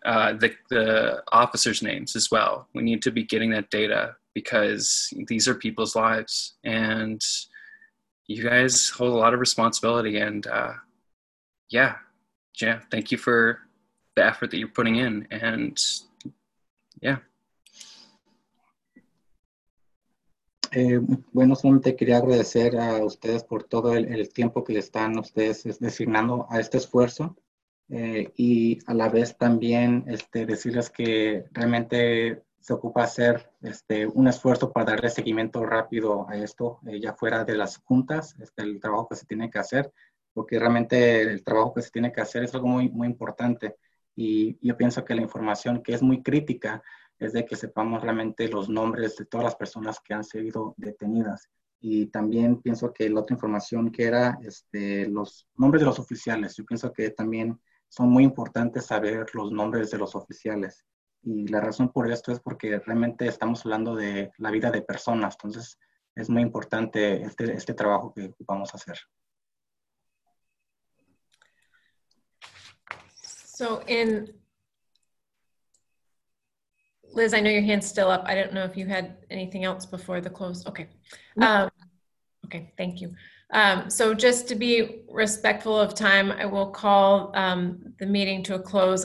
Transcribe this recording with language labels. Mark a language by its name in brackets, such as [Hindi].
[English] The officers' names as well. We need to be getting that data because these are people's lives and you guys hold a lot of responsibility and yeah, thank you for the effort that you're putting in and yeah. [Spanish] Bueno, solamente quería agradecer a ustedes por todo el tiempo que le están ustedes designando a este esfuerzo. Y a la vez también decirles que realmente se ocupa hacer un esfuerzo para darle seguimiento rápido a esto, ya fuera de las juntas, el trabajo que se tiene que hacer, porque realmente el trabajo que se tiene que hacer es algo muy, muy importante. Y yo pienso que la información que es muy crítica es de que sepamos realmente los nombres de todas las personas que han sido detenidas. Y también pienso que la otra información que era los nombres de los oficiales. Yo pienso que también son muy importantes saber los nombres de los oficiales. Y la razón por esto es porque realmente estamos hablando de la vida de personas. Entonces, es muy importante este trabajo que vamos a hacer. [English] So, in Liz, I know your hand's still up. I don't know if you had anything else before the close. Okay. Okay, thank you. So just to be respectful of time, I will call the meeting to a close.